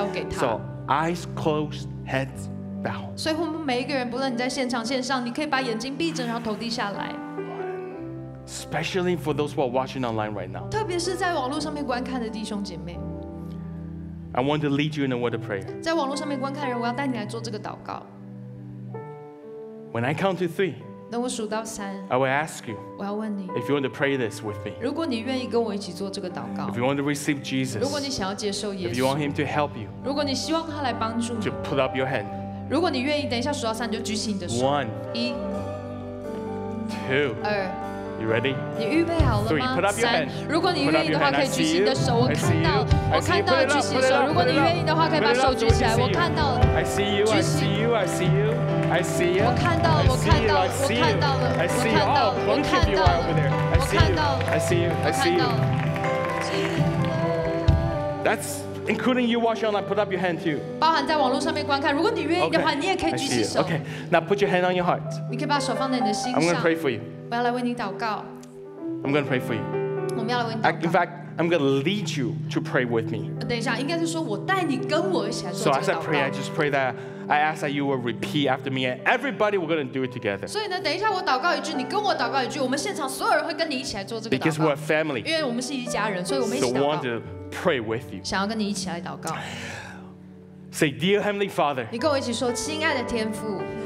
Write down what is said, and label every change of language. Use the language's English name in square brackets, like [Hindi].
[English] So, eyes closed, heads bowed. [Chinese] 所以我们每一个人，不论你在现场、线上，你可以把眼睛闭着，然后头低下来。 [English] Especially for those who are watching online right now. [Chinese] 特别是在网络上面观看的弟兄姐妹。 [English] I want to lead you in a word of prayer. [Chinese] 在网络上面观看的人，我要带你来做这个祷告。 [English] When I count to three, [Chinese] 等我数到三 [English] I will ask you, [Chinese] 我要问你 [English] if you want to pray this with me. [Chinese] 如果你愿意跟我一起做这个祷告 [English] if you want to receive Jesus, [Chinese] 如果你想要接受耶稣 [English] if you want Him to help you, [Chinese] 如果你希望他来帮助你 [English] to put up your hand. [Chinese] 如果你愿意等一下数到三你就举起你的手 [English] One, [Chinese] 一 [English] Two, [Chinese] 二 [English] You ready? [Chinese] 你预备好了吗 [English] Three, put up your hand. [Chinese] 如果你愿意的话可以举起你的手 [English] I see you, [Chinese] 我看到了举起手如果你愿意的话可以把手举起来我看到了 [English] I see you, I see you, I see you. I see you. [Chinese] 我看到了，我看到了，我看到了，我看到了，我看到了，我看到了。 [English] I see you. I see you. That's including you watching online. Put up your hand too. [Chinese] 包含在网络上面观看，如果你愿意的话，你也可以举起手。 [English] Okay. Now put your hand on your heart. [Chinese] 你可以把手放在你的心上。 [English] I'm going to pray for you. [Chinese] 我要来为你祷告。 [English] I'm going to pray for you. [Chinese] 我们要来为你祷告。 [English] In fact, I'm going to lead you to pray with me. [Chinese] 等一下，应该是说我带你跟我一起来做这个祷告。 [English] So as I pray, I just pray that. I ask that you will repeat after me, and everybody, we're going to do it together. [Chinese] 所以呢，等一下我祷告一句，你跟我祷告一句，我们现场所有人会跟你一起来做这个祷告。 [English] Because we're a family. [Chinese] 因为我们是一家人，所以我们一起祷告。 [English] So want to pray with you. [Chinese] 想要跟你一起来祷告。 [English] Say, dear Heavenly Father. [Chinese] 你跟我一起说，亲爱的天父。